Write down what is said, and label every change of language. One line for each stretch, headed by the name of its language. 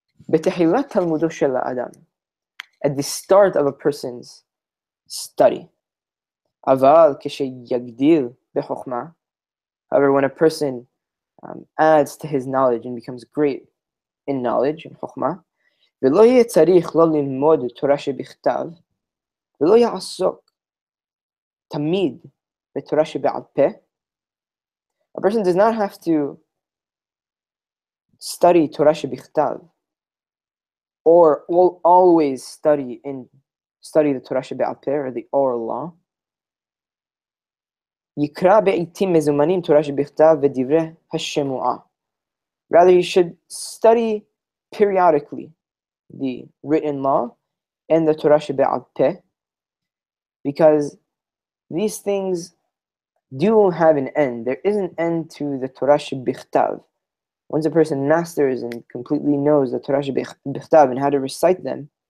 Hebrew: B'tehilat Talmudo shel Adam.
English: At the start of a person's study.
Hebrew: Aval kesh yagdil bechokhmah.
English: However, when a person adds to his knowledge and becomes great in knowledge and chokhmah.
Hebrew: ולא יהיה צריך לא ללמוד תורה שבכתב, ולא יעסוק תמיד בתורה שבעל פה.
English: A person does not have to study תורה שבכתב, or will always study the תורה שבעל פה, or the oral law.
Hebrew: יקרא בעיתים מזומנים תורה שבכתב ודברי השמועה.
English: Rather, you should study periodically the written law and the Torah Shebe'al Peh, because these things do have an end. There is an end to the Torah Shebichtav. Once a person masters and completely knows the Torah Shebichtav and how to recite them,